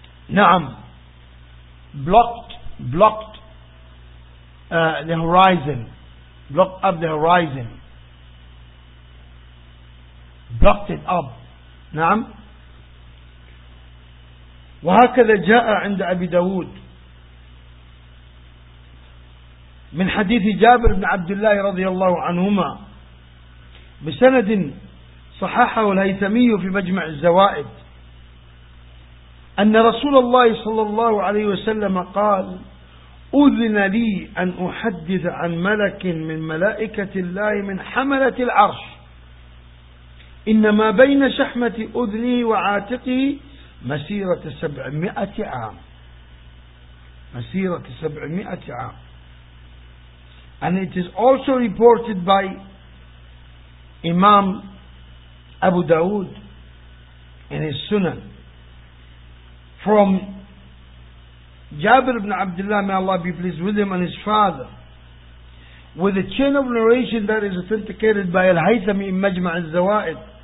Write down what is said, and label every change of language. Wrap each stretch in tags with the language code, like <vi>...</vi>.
<en>Na'am, blocked the horizon, blocked up the horizon, blocked it up.</en> <ar>Na'am. وهكذا جاء عند أبي داود من حديث جابر بن عبد الله رضي الله عنهما بسند صححه الهيثمي في مجمع الزوائد أن رسول الله صلى الله عليه وسلم قال: أذن لي أن أحدث عن ملك من ملائكة الله من حملة العرش، إنما بين شحمة أذني وعاتقي مسيرة 700 عام. مسيرة 700 عام.</ar> <en>And it is also reported by Imam Abu Dawood in his Sunan from Jabir ibn Abdullah, may Allah be pleased with him and his father, with a chain of narration that is authenticated by Al-Haythami in Majma' al-Zawa'id,</en>